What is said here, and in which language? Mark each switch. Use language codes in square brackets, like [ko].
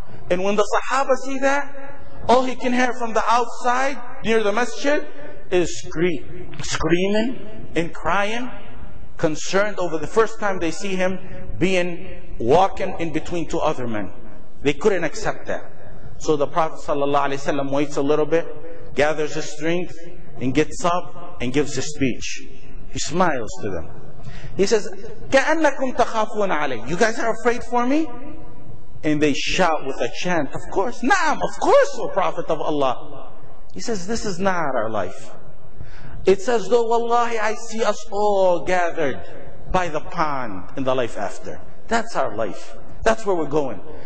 [en] And when the Sahaba see that, all he can hear from the outside near the masjid is screaming and crying, concerned over the first time they see him being walking in between two other men. They couldn't accept that. So the Prophet sallallahu alaihi wasallam waits a little bit, gathers his strength, and gets up and gives his speech. He smiles to them. He says, [ar] كَأَنَّكُمْ تَخَافُونَ عَلَيْهِ. [en] You guys are afraid for me? And they shout with a chant, of course, na'am, of course, O Prophet of Allah. He says, this is not our life. It's as though, wallahi, I see us all gathered by the pond in the life after. That's our life. That's where we're going.